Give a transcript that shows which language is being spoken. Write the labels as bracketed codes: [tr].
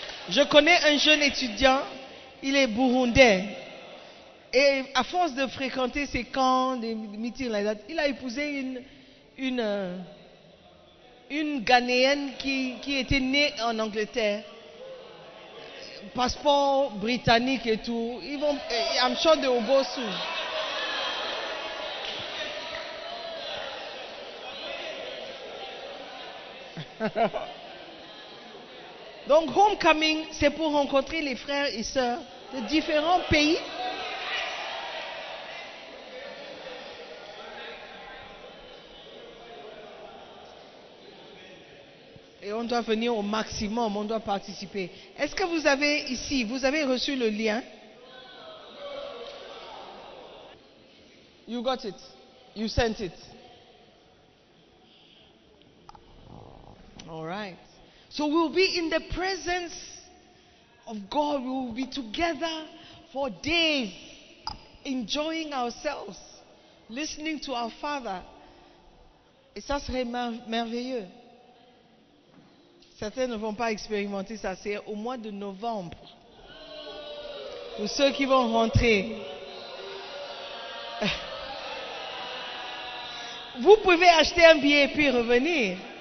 [fr] Je connais un jeune étudiant, il est burundais. Et à force de fréquenter ces camps, des meetings, il a épousé une Ghanéenne qui était née en Angleterre. Passeport britannique et tout. Ils vont, [en] I'm sure they will go soon. [fr] Donc, homecoming, c'est pour rencontrer les frères et sœurs de différents pays. Et on doit venir au maximum, on doit participer. Est-ce que vous avez ici, vous avez reçu le lien? [en] You got it. You sent it. All right. So we'll be in the presence of God. We will be together for days, enjoying ourselves, listening to our Father. [fr] Et ça serait merveilleux. Certains ne vont pas expérimenter ça. C'est au mois de novembre. Pour ceux qui vont rentrer. Vous pouvez acheter un billet et puis revenir.